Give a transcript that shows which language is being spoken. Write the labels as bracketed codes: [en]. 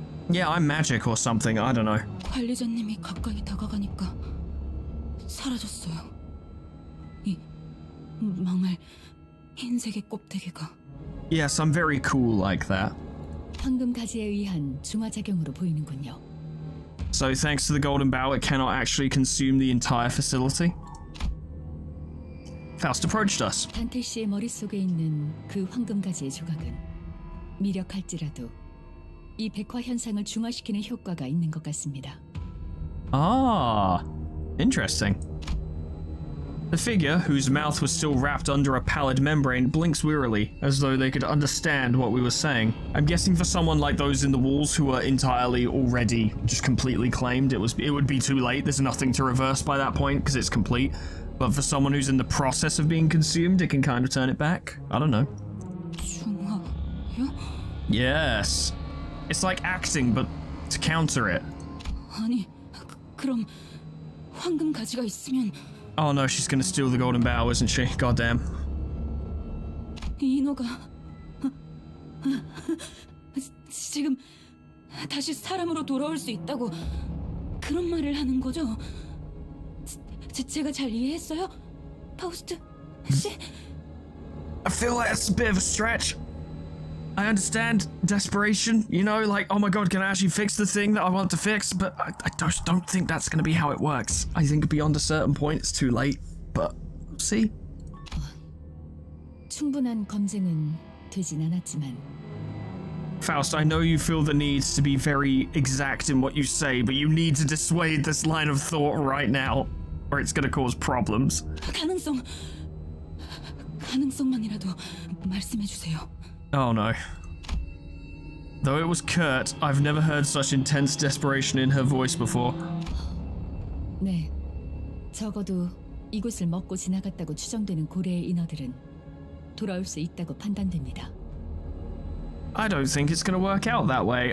[en] Yeah, I'm magic or something, I don't know. [ko] 관리자님이 가까이 다가가니까 사라졌어요. 이 망할 흰색의 꼽대기가. [en] Yes, I'm very cool like that. [ko] 황금 가지에 의한 중화작용으로 보이는군요. [en] So thanks to the golden bough, it cannot actually consume the entire facility. Faust approached us. [ko] 단테 씨의 머릿속에 있는 그 황금 가지의 조각은 미력할지라도 이 백화 현상을 중화시키는 효과가 있는 것 같습니다. [en] Ah, interesting. The figure, whose mouth was still wrapped under a pallid membrane, blinks wearily, as though they could understand what we were saying. I'm guessing for someone like those in the walls who are entirely already just completely claimed, it would be too late. There's nothing to reverse by that point because it's complete. But for someone who's in the process of being consumed, it can kind of turn it back. I don't know. [ko] 중화요? [en] Yes. It's like acting, but to counter it. [ko] 아니, 그럼 황금 가지가 있으면... [en] Oh no, she's gonna steal the golden bough, isn't she? Goddamn. [ko] 인호가 지금 다시 사람으로 돌아올 수 있다고 그런 말을 하는 거죠? 제가 잘 이해했어요, 파우스트 씨? [en] I feel like that's a bit of a stretch. I understand desperation, you know, like, oh my god, can I actually fix the thing that I want to fix? But I just don't think that's going to be how it works. I think beyond a certain point, it's too late, but we'll see. [ko] 충분한 검증은 되진 않았지만. [en] Faust, I know you feel the need to be very exact in what you say, but you need to dissuade this line of thought right now, or it's going to cause problems. [ko] 가능성... 가능성만이라도 말씀해주세요. [en] Oh no. Though it was curt, I've never heard such intense desperation in her voice before. [ko] 네. 적어도 이곳을 먹고 지나갔다고 추정되는 고래의 인어들은 돌아올 수 있다고 판단됩니다. [en] I don't think it's gonna work out that way.